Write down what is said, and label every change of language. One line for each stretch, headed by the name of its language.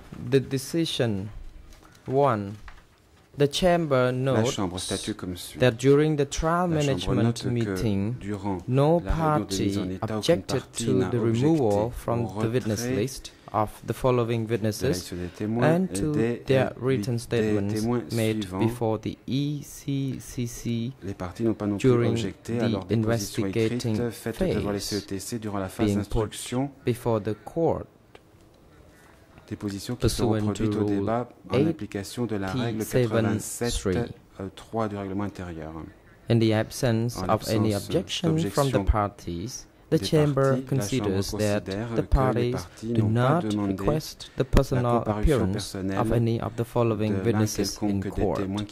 English: The decision 1. The chamber notes that during the trial management meeting, no party objected to the removal from the witness list of the following witnesses and to their written statements made before the ECCC during the investigating phase being put before the court.
French: Des positions qui seront introduites au débat en application de la règle 87.3 du règlement intérieur.
English: In the absence of any objection from the parties, the chamber considers that the parties do not request the personal appearance of any of the following witnesses in court.